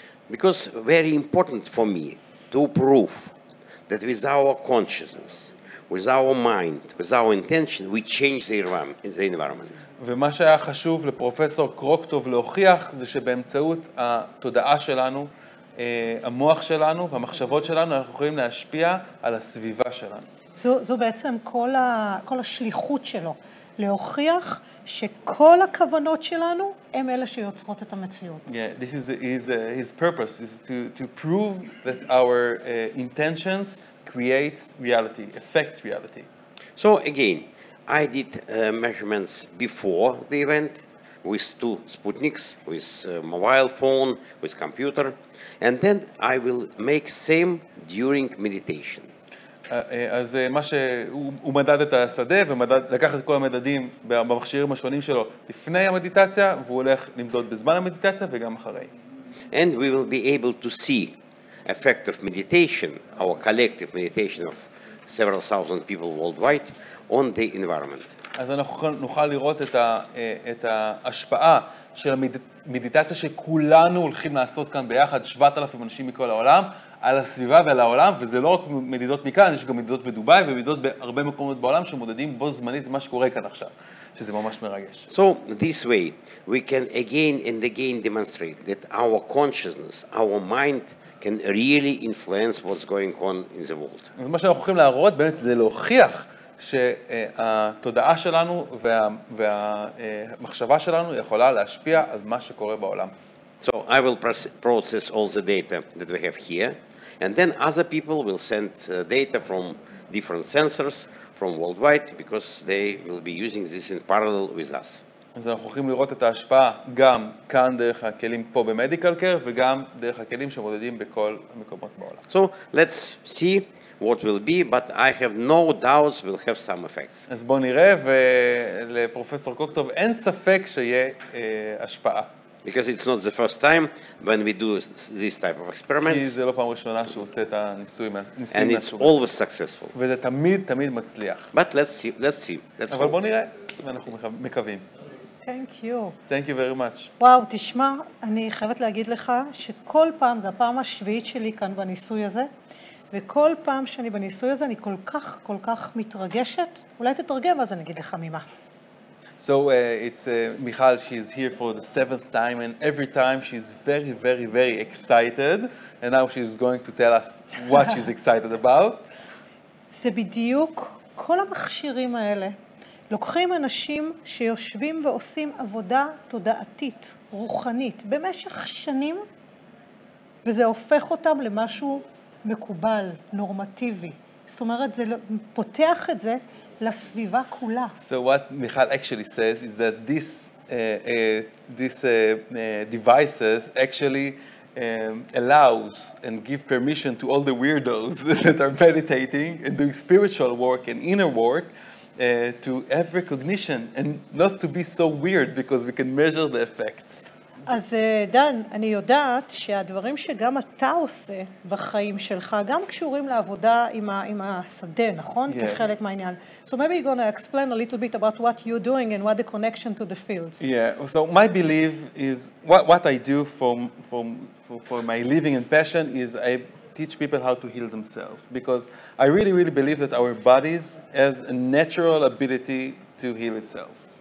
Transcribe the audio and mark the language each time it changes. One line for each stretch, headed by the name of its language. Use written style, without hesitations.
English: Because very important for me to prove that with our consciousness with our mind, with our intention, we change the environment.
Hebrew: ומה שהיה חשוב לפרופסור קרוקטוב להוכיח זה שבאמצעות התודעה שלנו, המוח שלנו והמחשבות שלנו, אנחנו יכולים להשפיע על הסביבה שלנו. זו בעצם כל השליחות שלו, להוכיח שכל הכוונות שלנו הם אלה שיוצרות את המציאות.
English: Yeah, this is his purpose, is to prove that our intentions creates reality, affects reality. So again, I did measurements before the event with two Sputniks, with mobile phone, with computer, and then I will make same during meditation.
Hebrew: אז מה שהוא מדד את השדה ולקח את כל המדדים במכשירים השונים שלו לפני המדיטציה והוא הולך למדוד בזמן המדיטציה וגם אחרי.
English: And we will be able to see effect of meditation, our collective meditation of several thousand people worldwide on the environment.
Hebrew: אז אנחנו נוכל לראות את ההשפעה של המדיטציה שכולנו הולכים לעשות כאן ביחד, 7,000 אנשים מכל העולם, על הסביבה ועל העולם, וזה לא רק מדידות מכאן, יש גם מדידות בדובאי ומדידות בהרבה מקומות בעולם שמודדים בו זמנית מה שקורה כאן עכשיו, שזה ממש מרגש.
English: So, this way, we can again and again demonstrate that our consciousness, our mind, can really influence what's going on in the world.
Hebrew: אז מה שאנחנו הולכים להראות באמת זה להוכיח שהתודעה שלנו והמחשבה שלנו יכולה להשפיע על מה שקורה בעולם.
English: So I will process all the data that we have here, and then other people will send data from different sensors from worldwide because they will be using this in parallel with us.
Hebrew: אז אנחנו הולכים לראות את ההשפעה גם כאן דרך הכלים פה במדיקל קר וגם דרך הכלים שמודדים בכל המקומות בעולם.
English: So let's see what will be, but I have no doubts will have some effects.
Hebrew: אז בוא נראה, ולפרופסור קוקטוב אין ספק שיהיה השפעה.
English: Because it's not the first time when we do this type of experiments.
Hebrew: זה לא פעם ראשונה שהוא עושה את הניסויים.
English: And it's always successful.
Hebrew: וזה תמיד, תמיד מצליח.
English: But let's see.
Hebrew: אבל בוא נראה, ואנחנו מקווים.
English: Thank you. Thank you very much.
Hebrew: וואו, תשמע, אני חייבת להגיד לך שכל פעם, זו הפעם השביעית שלי כאן בניסוי הזה, וכל פעם שאני בניסוי הזה, אני כל כך, כל כך מתרגשת. אולי תתרגם, אז אני אגיד לך ממה.
English: So it's Michal, she's here for the seventh time, and every time she's very, very, very excited. And now she's going to tell us what she's excited about.
Hebrew: זה בדיוק כל המכשירים האלה לוקחים אנשים שיושבים ועושים עבודה תודעתית, רוחנית, במשך שנים, וזה הופך אותם למשהו מקובל, נורמטיבי. זאת אומרת, זה פותח את זה לסביבה כולה.
English: So what Michal actually says is that these devices actually allows and give permission to all the weirdos that are meditating and doing spiritual work and inner work to have recognition and not to be so weird because we can measure the effects.
Hebrew: אז דן, אני יודעת שהדברים שגם אתה עושה בחיים שלך גם קשורים לעבודה עם השדה, נכון?
English: Yeah.
Hebrew: כחלק מהעניין.
English: So maybe you're going to explain a little bit about what you're doing and what the connection to the fields. Yeah, so my belief is what I do for my living and passion is I teach people how to heal themselves because I really, really believe that our bodies has a natural ability to heal itself.